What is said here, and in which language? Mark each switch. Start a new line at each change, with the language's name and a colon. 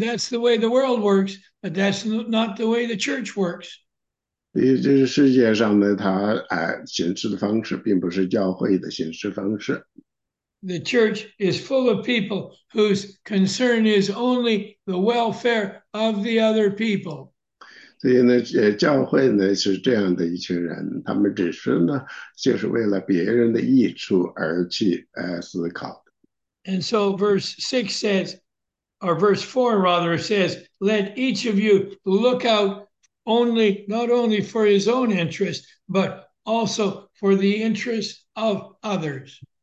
English: that's the way the world works, but that's not the way the church works.
Chinese: 所以这是世界上呢，它行事的方式，并不是教会的行事方式。
English: The church is full of people whose concern is only the welfare of the other people.
Chinese: 所以呢，教会呢是这样的一群人，他们只是呢，就是为了别人的益处而去思考。
English: And so verse 6 says, or verse 4 rather says, let each of you look out only, not only for his own interest, but also for the interests of others.